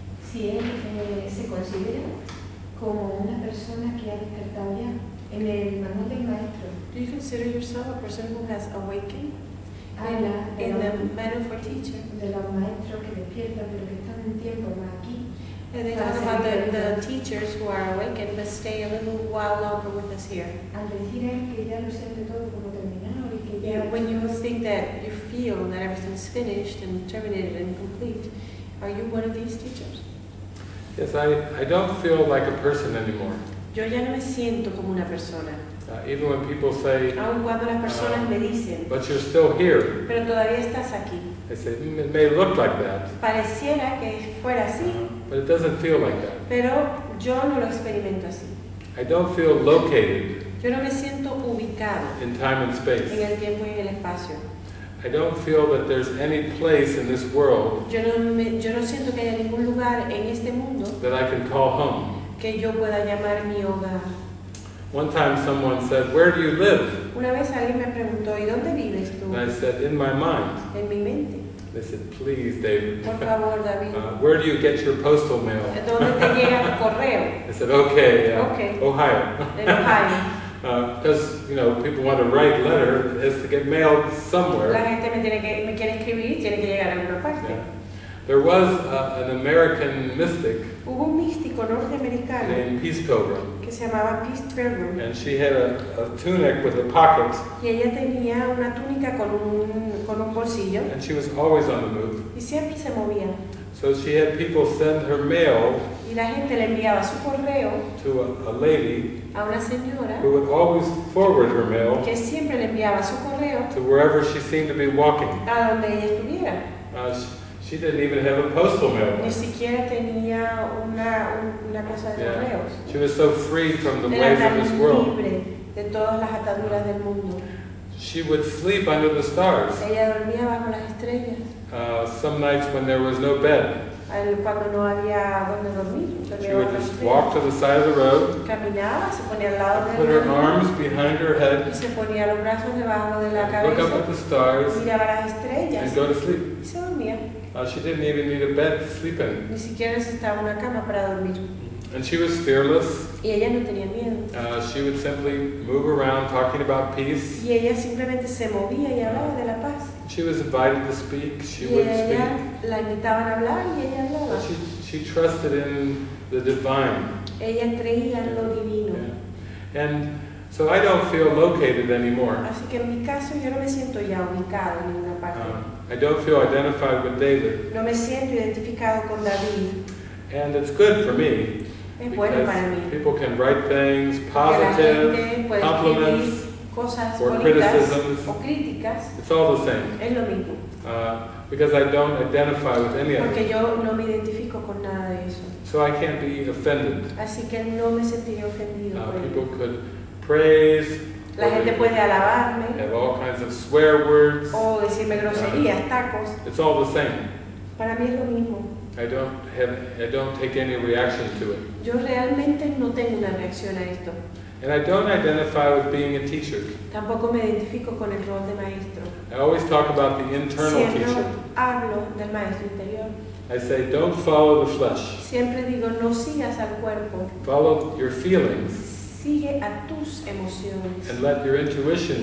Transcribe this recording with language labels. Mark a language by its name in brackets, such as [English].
[Spanish] Si él se considera como una persona que ha despertado ya en el manual del maestro. [English] Do you consider yourself a person who has awakened? [Spanish] Habla [English] in the manual for teacher. [Spanish] De los maestros que despiertan pero que están un tiempo más aquí. [English] And they talk about the teachers who are awakened but stay a little while longer with us here. [Spanish] Al decir él que ya lo siente todo como terminado y que ya. [English] When you think that you feel that everything's finished and terminated and complete, are you one of these teachers? Yes, I don't feel like a person anymore. [Spanish] Yo ya no me siento como una persona. [English] Even when people say, [Spanish] aun cuando las personas me dicen, [English] but you're still here. [Spanish] Pero todavía estás aquí. [English] I say, it may look like that. [Spanish] Pareciera que fuera así. [English] But it doesn't feel like that. [Spanish] Pero yo no lo experimento así. [English] I don't feel located. [Spanish] Yo no me siento ubicado. [English] In time and space. [Spanish] En el tiempo y el espacio. [English] I don't feel that there's any place in this world [Spanish] yo no siento que haya ningún lugar en este mundo [English] that I can call home. [Spanish] Que yo pueda llamar mi hogar. [English] One time someone said, where do you live? [Spanish] Una vez alguien me preguntó, ¿y dónde vives tú? [English] And I said, in my mind. [Spanish] En mi mente. [English] They said, please, David. [Spanish] Por favor, David. [English] Where do you get your postal mail? [Spanish] ¿Dónde te llega tu correo? [English] I said, okay, Ohio. [Spanish] En Ohio. [English] Because you know, people want to write a letter, it has to get mailed somewhere. [Spanish] La gente me quiere escribir, tiene que llegar a alguna parte. [English] Yeah. There was an American mystic. [Spanish] Hubo un místico norteamericano. [English] Named Peace Pilgrim. [Spanish] Que se llamaba Peace Pilgrim. [English] And she had a tunic with a pocket. [Spanish] Y ella tenía una túnica con un bolsillo. [English] And she was always on the move. [Spanish] Y siempre se movía. [English] So she had people send her mail. [Spanish] Y la gente le enviaba su correo. [English] To a lady. [Spanish] A una señora [English] who would always forward her mail [Spanish] que siempre le enviaba su correo [English] to wherever she seemed to be walking. [Spanish] A donde ella estuviera. [English] She didn't even have a postal mail. [Spanish] Ni siquiera tenía una cosa de [English] yeah. [Spanish] correos. [English] She was so free from the ways of this world. [Spanish] Libre de todas las ataduras del mundo. [English] She would sleep under the stars. [Spanish] Ella dormía bajo las estrellas. [English] Some nights when there was no bed. [Spanish] Cuando no había donde dormir, [English] she would just walk to the side of the road, [Spanish] caminaba, se ponía al lado [English] put her arms behind her head, [Spanish] y se ponía los brazos debajo de la cabeza, [English] look up at the stars, [Spanish] miraba las estrellas, [English] and go to sleep. [Spanish] Y se dormía. [English] She didn't even need a bed to sleep in. [Spanish] Ni siquiera necesitaba una cama para dormir. [English] And she was fearless. [Spanish] Y ella no tenía miedo. [English] She would simply move around talking about peace. [Spanish] Y ella simplemente se movía y hablaba de la paz. [English] She was invited to speak. She would speak. [Spanish] Y ella la invitaban a hablar y ella hablaba. [English] She trusted in the divine. [Spanish] Ella creía en lo divino. Yeah. [English] And so I don't feel located anymore. [Spanish] Así que en mi caso yo no me siento ya ubicado en ninguna parte. [English] I don't feel identified with David. [Spanish] No me siento identificado con David. [English] And it's good for me. [Spanish] bueno para mí. [English] People can write things, positive, compliments, [Spanish] cosas [English] or criticisms. [Spanish] O críticas. [English] It's all the same. [Spanish] Es lo mismo. [English] Because I don't identify with any of it. [Spanish] Porque yo no me identifico con nada de eso. [English] So I can't be offended. [Spanish] Así que no me sentiría ofendido. [English] People could praise. [Spanish] La gente puede alabarme. [English] Have all kinds of swear words. [Spanish] O decirme groserías, tacos. [English] It's all the same. [Spanish] Para mí es lo mismo. [English] I don't take any reaction to it. [Spanish] Yo realmente no tengo una reacción a esto. [English] And I don't identify with being a teacher. [Spanish] Tampoco me identifico con el rol de maestro. [English] I always talk about the internal [Spanish] Siempre [English] teacher. [Spanish] Hablo del maestro interior. [English] I say, don't follow the flesh. [Spanish] Siempre digo, no sigas al cuerpo. [English] Follow your feelings. [Spanish] Sigue a tus emociones. [English] And let your intuition